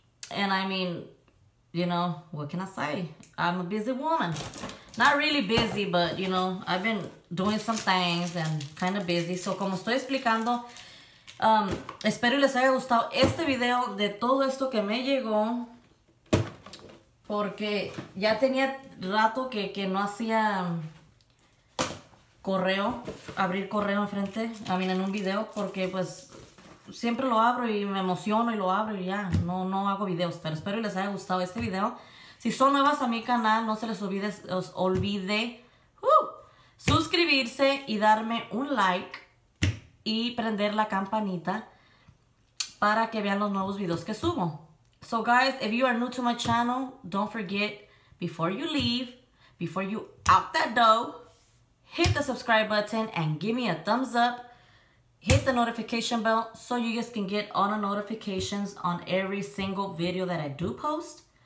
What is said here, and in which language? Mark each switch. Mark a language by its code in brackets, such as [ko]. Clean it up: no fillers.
[en] And I mean, you know, what can I say? I'm a busy woman. Not really busy, but, you know, I've been doing some things and kind of busy. [es] So, como estoy explicando, espero les haya gustado este video de todo esto que me llegó. Porque ya tenía rato que no hacía correo, abrir correo enfrente, a mí en un video, porque pues siempre lo abro y me emociono y lo abro y ya, no hago videos, pero espero les haya gustado este video. Si son nuevas a mi canal, no se les olvide, suscribirse y darme un like y prender la campanita para que vean los nuevos videos que subo. [en] So guys, if you are new to my channel, don't forget, before you leave, before you out that door, hit the subscribe button and give me a thumbs up. Hit the notification bell so you guys can get all the notifications on every single video that I do post.